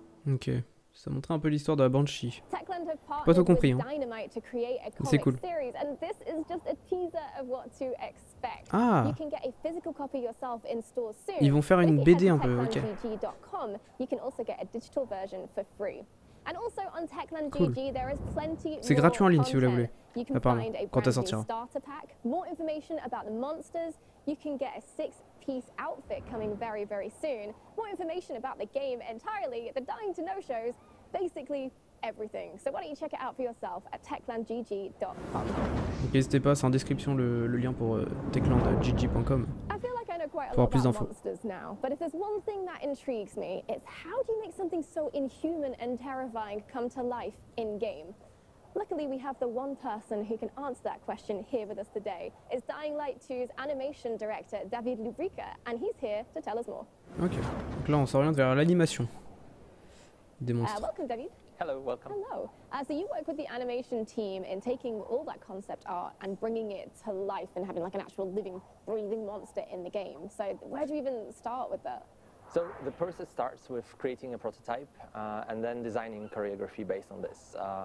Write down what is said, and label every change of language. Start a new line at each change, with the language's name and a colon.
French: Ok, ça montre un peu l'histoire de la Banshee. pas trop compris, hein. C'est cool.
English: And this is just a teaser of what to expect. Ah. You can get a physical copy yourself in store soon.
French: Ils vont faire une BD un peu, OK.
English: You can also get a digital version for free. And also on Techland GG, there is plenty of content. You can find a brand new starter pack, more information about the monsters, you can get a six-piece outfit coming very, very soon, more information about the game entirely, the Dying2Know shows, basically everything. So why don't you check it out for yourself at techlandgg.com.
French: Okay, n'hésitez pas, c'est en description le lien pour techlandgg.com. Pour avoir plus d'infos.
English: But if there's one thing that intrigues me, it's how do you make something so inhuman and terrifying come to life in game? Luckily, we have the one person who can answer that question here with us today. It's Dying Light 2's animation director David Lubrica, and he's here to tell us more. Okay.
French: Donc là, on s'oriente vers l'animation des monstres.
English: Welcome, David. Hello, welcome. Hello. So you work with the animation team in taking all that concept art and bringing it to life and having like an actual living, breathing monster in the game. So where do you even start with that? So the process starts with creating a prototype and then designing choreography based on this.